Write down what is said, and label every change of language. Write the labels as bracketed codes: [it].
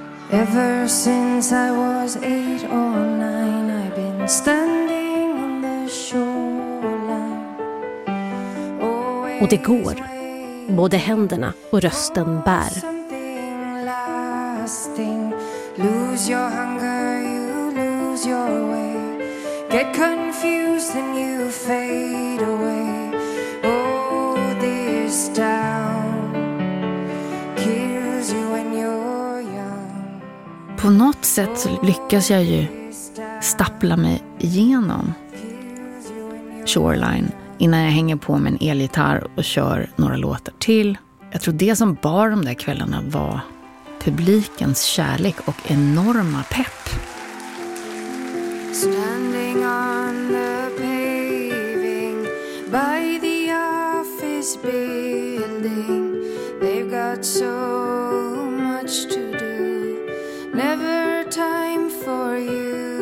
[en] Ever since I was 8 or 9, I've been standing on the shoreline. [sv] Och det går. Både händerna och rösten bär. [en] Something lasting. Lose your hunger, you lose your way. Get confused and you fade away. Oh, this town kills you when you're young. [sv] På något sätt lyckas jag ju stapla mig igenom Shoreline innan jag hänger på med en elgitarr och kör några låtar till. Jag tror det som bar de där kvällarna var publikens kärlek och enorma pepp. [en] Standing on the paving by the office building. They've got so much to do. Never time for you.